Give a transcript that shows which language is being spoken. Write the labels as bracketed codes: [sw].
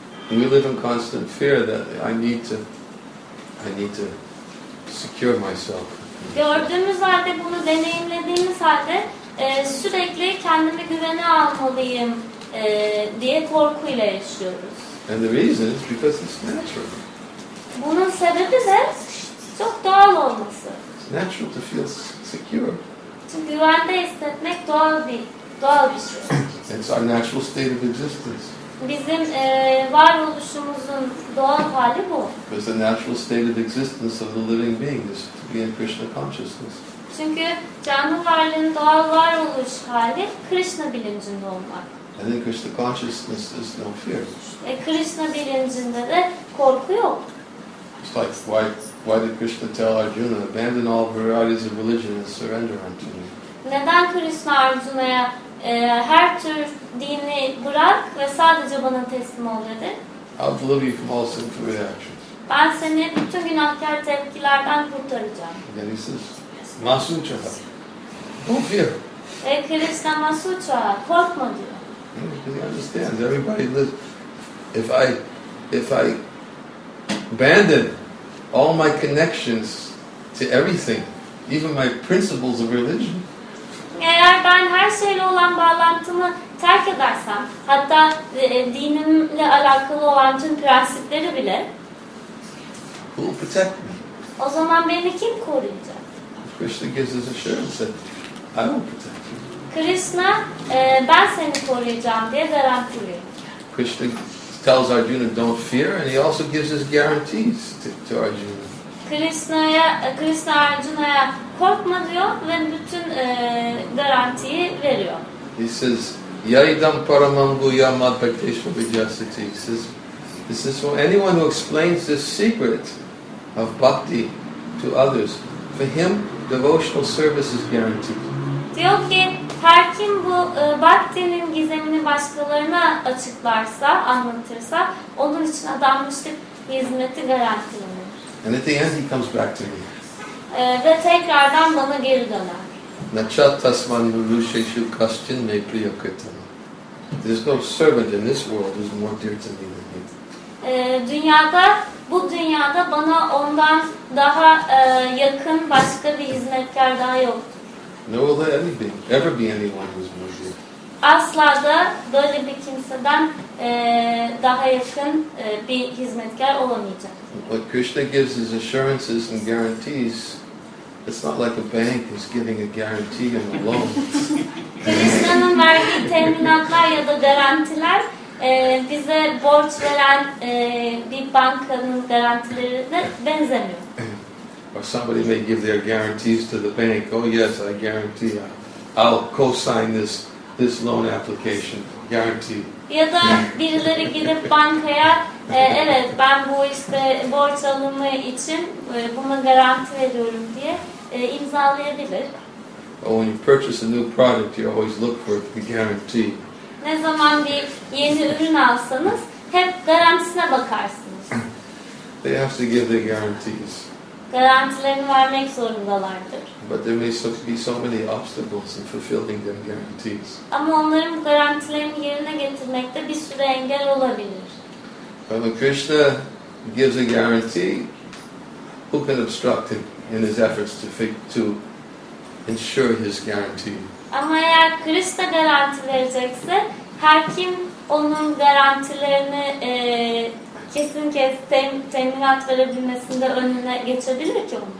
[en] We live in constant fear that I need to secure myself. [tr] Gördüğümüz halde bunu deneyimlediğimiz halde sürekli kendimi güvene almalıyım diye korkuyla yaşıyoruz. [en] And the reason is because it's natural. [tr] Bunun sebebi de çok doğal olması. [en] It's natural to feel secure. [tr] Çünkü güvende hissetmek doğal bir şey. [en] It's our natural state of existence. [tr] Bizim varoluşumuzun doğal hali bu. [en] Because the natural state of existence of the living being is to be in Krishna consciousness. [tr] Çünkü canlı varlığın doğal varoluş hali Krishna bilincinde olmak. [en] And in Krishna consciousness is no fear. [tr] Krishna bilincinde de korku yok. [en] It's like why did Krishna tell Arjuna abandon all varieties of religion and surrender unto me? [tr] Neden Krishna Arjuna'ya her tür dini bırak ve sadece bana teslim ol dedi? [en] I'll deliver you from all sinful reactions. [tr] Ben seni bütün günahkar tepkilerden kurtaracağım. [en] Then he says, Masucha, don't fear. [tr] Krishna Masucha, korkma diyor. [en] Because he understands everybody lives. If I abandon all my connections to everything, even my principles of religion. [tr] Eğer ben her şeyle olan bağlantımı terk edersem, hatta dinimle alakalı olan tüm prensipleri bile. [en] Who will protect me? [tr] O zaman beni kim koruyacak? [en] Krishna gives us assurance that I will protect you. [tr] Krishna, ben seni koruyacağım diye garanti veriyor. [en] Krishna tells Arjuna, don't fear, and he also gives his guarantees to Arjuna. [tr] Krishna Arjuna'ya korkma diyor ve bütün garantiyi veriyor. [en] He says, [sa] yaidam paramanguya madbhakteshva vijasati. [en] He says, this is for anyone who explains this secret of bhakti to others. For him, devotional service is guaranteed. [tr] Diyor ki, her kim bu bhakti'nin gizemini başkalarına açıklarsa, anlatırsa, onun için adanmışlık hizmeti garantilenir. [en] And at the end he comes back to me. [tr] Ve tekrardan bana geri döner. [sa] Nachatasman vrusheshu kastin me priyakritam. [en] There's no servant in this world who's more dear to me than him. [tr] Bu dünyada bana ondan daha yakın başka bir hizmetkar daha yok. [en] Nor will there ever be anyone who's more dear. [tr] Asla da böyle bir kimseden daha yakın bir hizmetkar olamayacak. [en] What Krishna gives is assurances and guarantees. It's not like a bank is giving a guarantee and a loan. [tr] Krishna'nın verdiği teminatlar ya da garantiler bize borç veren bir bankanın garantilerine benzemiyor. [en] Or somebody may give their guarantees to the bank. Oh yes, I guarantee. I'll co-sign this loan application. Guarantee. [tr] Ya da birileri gidip bankaya, evet, ben bu işte borç alımı için buna garanti veriyorum diye imzalayabilir. [en] Oh, when you purchase a new product, you always look for the guarantee. [tr] Ne zaman bir yeni ürün alsanız, hep garantisine bakarsınız. [en] They have to give their guarantees. [tr] Garantilerini vermek zorundalardır. [en] But there may be so many obstacles in fulfilling their guarantees. [tr] Ama onların garantilerini yerine getirmekte bir sürü engel olabilir. [en] When Krishna gives a guarantee, who can obstruct him in his efforts to ensure his guarantee? [tr] Ama eğer Krishna garanti verecekse, her kim onun garantilerini kesin teminat verebilmesinde önüne geçebilir ki